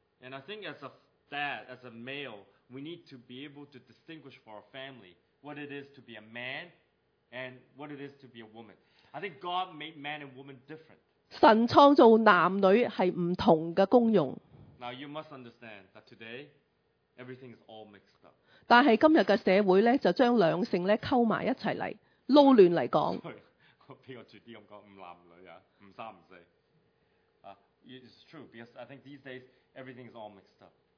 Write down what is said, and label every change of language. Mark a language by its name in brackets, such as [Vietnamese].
[English] And I think as a dad, as a male, we need to be able to distinguish for our family what it is to be a man and what it is to be a woman. I think God made man and woman different. [Cantonese] 神創造男女係唔同嘅功用。 [English] Now you must understand that today. Everything is all mixed up. [Cantonese] 但係今日嘅社會咧，就將兩性咧溝埋一齊嚟。撈亂嚟講。比較絕啲咁講，唔男唔女啊，唔三唔四。 [English] It's true because I think these days everything is all mixed up.